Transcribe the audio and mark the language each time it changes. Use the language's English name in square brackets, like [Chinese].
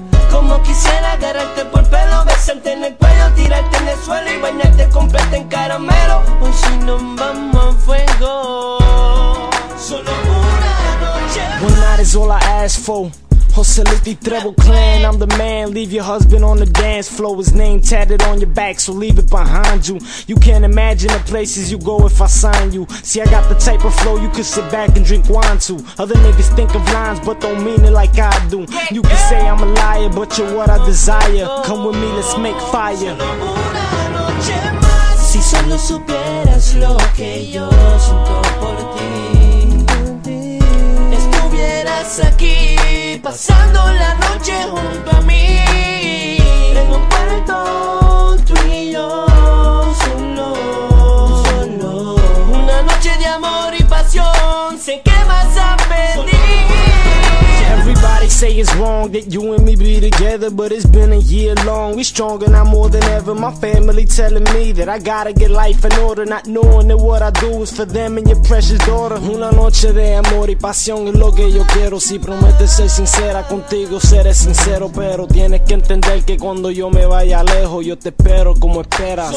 [Spanish] Como quisiera agarrarte por pelo, besarte en el cuello, tirarte en el suelo y bañarte completo en caramelo. Hoy si nos vamos a fuego, solo una noche más. [English] One night is all I ask for. Joselito y Treble Clan, I'm the man. Leave your husband on the dance floor, his name tatted on your back, so leave it behind you. You can't imagine the places you go if I sign you. See, I got the type of flow you could sit back and drink wine to. Other niggas think of lines, but don't mean it like I do. You can say I'm a liar, but you're what I desire. Come with me, let's make fire. [Spanish] Solo una noche más. Si solo supieras lo que yo siento por ti, estuvieras aquí pasando la noche junto a mí. En un cuarto tú y yo solo, solo. Una noche de amor y pasión, sé que vas a pedir. [English] Everybody say it's wrong that you and me be together, but it's been a year long. We stronger now more than ever. My family telling me that I gotta get life in order, not knowing that what I do is for them and your precious daughter. [Spanish] Una noche de amor y pasión es lo que yo quiero. Si prometes ser sincera contigo, seré sincero, pero tienes que entender que cuando yo me vaya lejos, yo te espero como esperas.